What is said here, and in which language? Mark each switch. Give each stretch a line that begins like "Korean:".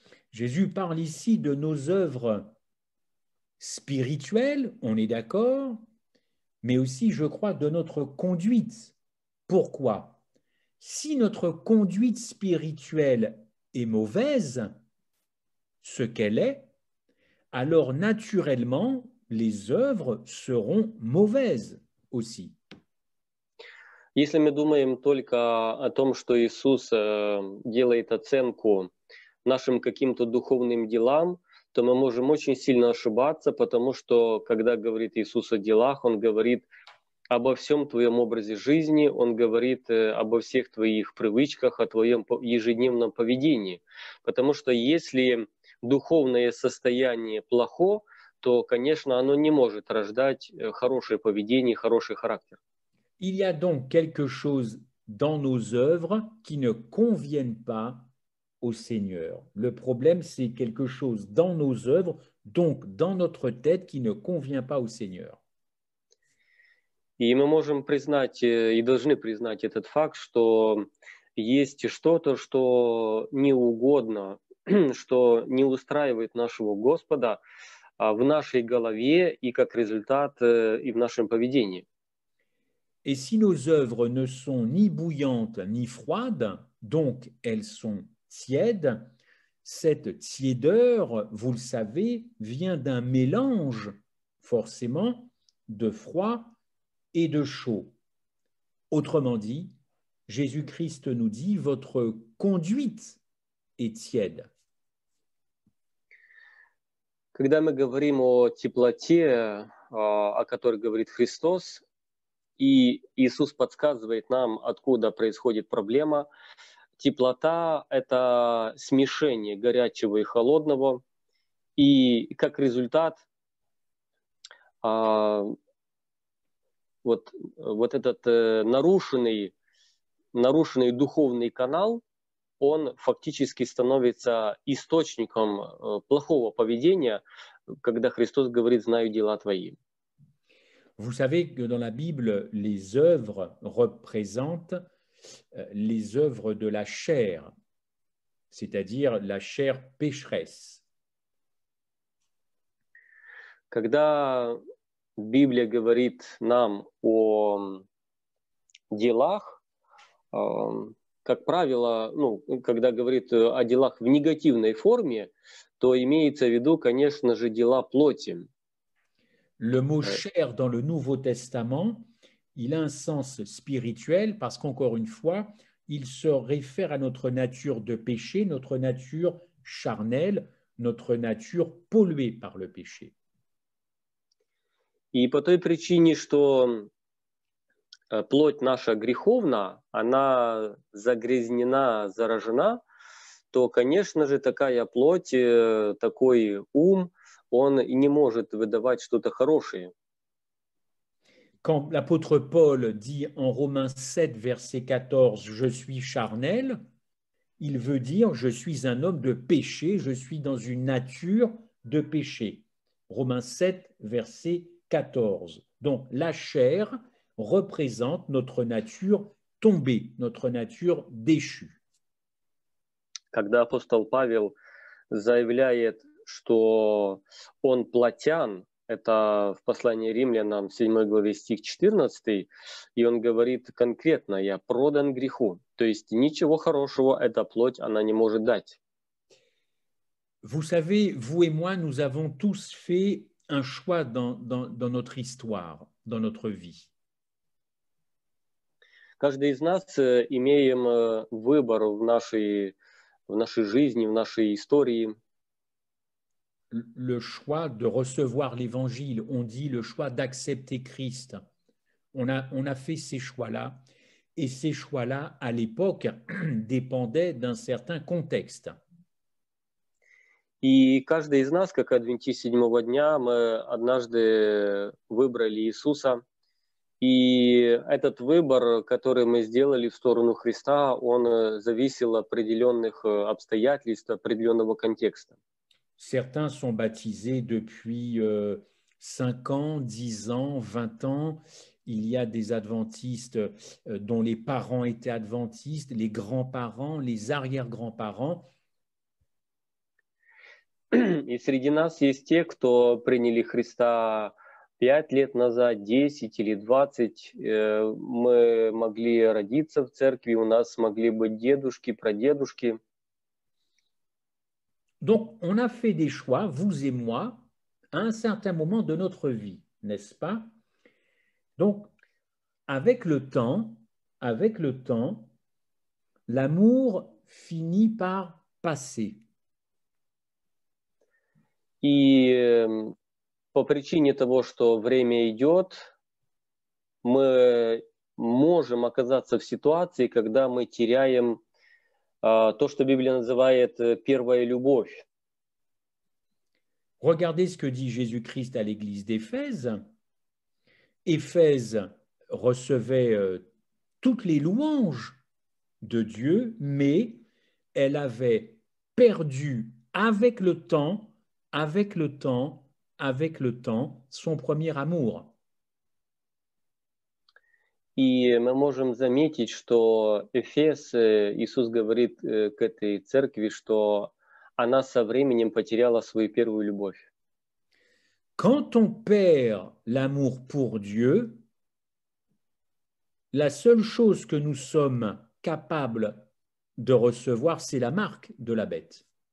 French: Jésus parle ici de nos œuvres spirituelles, on est d'accord, mais aussi, je crois, de notre conduite. Pourquoi? Si notre conduite spirituelle est mauvaise, ce qu'elle est, alors naturellement, les œuvres seront mauvaises aussi.
Russian: Если мы думаем только о том, что Иисус делает оценку нашим каким-то духовным делам, то мы можем очень сильно ошибаться, потому что, когда говорит Иисус о делах, Он говорит обо всем твоем образе жизни, Он говорит обо всех твоих привычках, о твоем ежедневном поведении. Потому что если духовное состояние плохо, то, конечно, оно не может рождать хорошее поведение, хороший характер.
French: Il y a donc quelque chose dans nos œuvres qui ne conviennent pas au Seigneur. Le problème, c'est quelque chose dans nos œuvres, donc dans notre tête, qui ne convient pas au Seigneur.
Russian: И мы можем признать и должны признать этот факт, что есть что-то, что неугодно, что не устраивает нашего Господа в нашей голове и как результат и в нашем поведении.
French: Et si nos œuvres ne sont ni bouillantes ni froides, donc elles sont tiède, cette tiédeur, vous le savez, vient d'un mélange, forcément, de froid et de chaud. Autrement dit, Jésus-Christ nous dit, votre conduite est tiède.
Russian: Когда мы говорим о теплоте, о которой говорит Христос, и Иисус подсказывает нам, откуда происходит проблема, теплота – это смешение горячего и холодного, и как результат вот этот нарушенный духовный канал, он фактически становится источником плохого поведения, когда Христос говорит «знаю дела твои».
French: Vous savez que dans la Bible, les œuvres représentent les œuvres de la chair, c'est-à-dire la chair pécheresse.
Russian: Когда Библия говорит нам о делах, как правило, ну, когда говорит о делах в негативной форме, то имеется в виду, конечно же, дела плоти.
French: Le mot chair dans le Nouveau Testament, il a un sens spirituel parce qu'encore une fois, il se réfère à notre nature de péché, notre nature charnelle, notre nature polluée par le péché.
Russian: И по той причине, что плоть наша греховна, она загрязнена, заражена, то, конечно же, такая плоть, такой ум, он не может выдавать что-то хорошее.
French: Quand l'apôtre Paul dit en Romains 7, verset 14, «Je suis charnel», il veut dire «Je suis un homme de péché, je suis dans une nature de péché». Romains 7, verset 14. Donc, la chair représente notre nature tombée, notre nature déchue.
Russian: Когда апостол Павел заявляет, что он плотян, это в послании Римлянам, 7 главе, стих 14, и он говорит конкретно, я продан греху. То есть ничего хорошего эта плоть, она не может дать.
French: Vous savez, vous et moi, nous avons tous fait un choix dans notre histoire, dans notre vie.
Russian: Каждый из нас имеем выбор в нашей жизни, в нашей истории.
French: Le choix de recevoir l'Évangile, on dit le choix d'accepter Christ. On a fait ces choix-là, et ces choix-là, à l'époque, dépendaient d'un certain contexte.
Russian: И каждый из нас, как адвентист седьмого дня, мы однажды выбрали Иисуса. И этот выбор, который мы сделали в сторону Христа, он зависел от определенных обстоятельств, определенного контекста.
French: Certains sont baptisés depuis 5 ans, 10 ans, 20 ans. Il y a des adventistes dont les parents étaient adventistes, les grands-parents, les arrière-grands-parents.
Russian: И среди нас есть те, кто приняли Христа 5 лет назад, 10 или 20. Мы могли родиться в церкви, у нас могли быть дедушки, прадедушки.
French: Donc, on a fait des choix, vous et moi, à un certain moment de notre vie, n'est-ce pas? Donc, avec le temps, l'amour finit par passer.
Russian: И по причине того, что время идет, мы можем оказаться в ситуации, когда мы теряем то, что Библия называет первая любовь.
French: Regardez ce que dit Jésus-Christ à l'église d'Éphèse. Éphèse recevait toutes les louanges de Dieu, mais elle avait perdu avec le temps, son premier amour.
Russian: И мы можем заметить, что Эфес, Иисус говорит к этой церкви, что она со временем потеряла свою первую любовь.
French: Quand on perd l'amour pour Dieu, la seule chose que nous sommes capables de recevoir, c'est la marque de la bête.